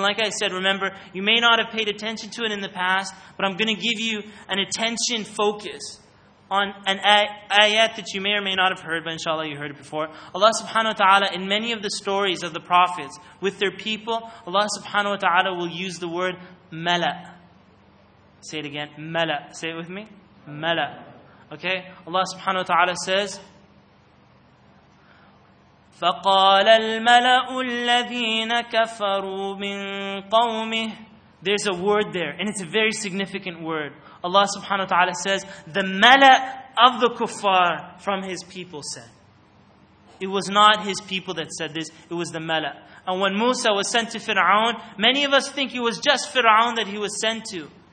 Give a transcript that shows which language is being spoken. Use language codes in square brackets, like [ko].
[en] Like I said, remember, you may not have paid attention to it in the past, but I'm going to give you an attention focus on an ayat that you may or may not have heard, but inshallah you heard it before. Allah subhanahu wa ta'ala, in many of the stories of the prophets with their people, Allah subhanahu wa ta'ala will use the word mala'. Say it again. Mala'. Say it with me. Mala'. Okay? Allah subhanahu wa ta'ala says, [ar] فقال الملأ الذين كفروا من قومه. [en] There's a word there, and it's a very significant word. Allah subhanahu wa ta'ala says, the mala' of the kuffar from his people said. It was not his people that said this, it was the mala'. And when Musa was sent to Fir'aun, many of us think it was just Fir'aun that he was sent to.